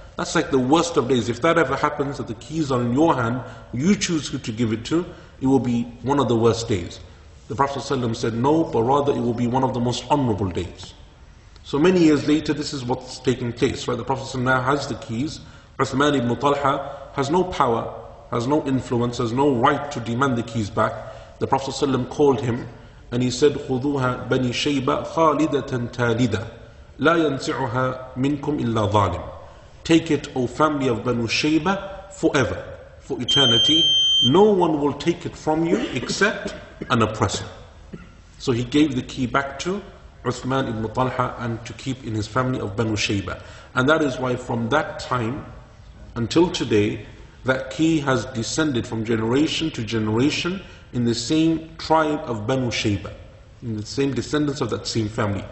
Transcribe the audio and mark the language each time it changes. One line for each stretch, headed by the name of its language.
English: That's like the worst of days. If that ever happens, that the keys are in your hand, you choose who to give it to, it will be one of the worst days. The Prophet ﷺ said no, but rather it will be one of the most honorable days. So many years later, this is what's taking place, right? The Prophet ﷺ now has the keys. Uthman ibn Talha has no power, has no influence, has no right to demand the keys back. The Prophet ﷺ called him and he said,
Arabic: خُذُوهَا بَنِي شَيْبَ خَالِدَةً تَالِدَةً لَا يَنْسِعُهَا مِنْكُمْ إِلَّا ظَالِمٌ.
English: Take it, O family of Banu Shaybah, forever, for eternity. No one will take it from you except an oppressor. So he gave the key back to Uthman ibn Talha and to keep in his family of Banu Shaybah. And that is why from that time until today, that key has descended from generation to generation in the same tribe of Banu Shaybah, in the same descendants of that same family.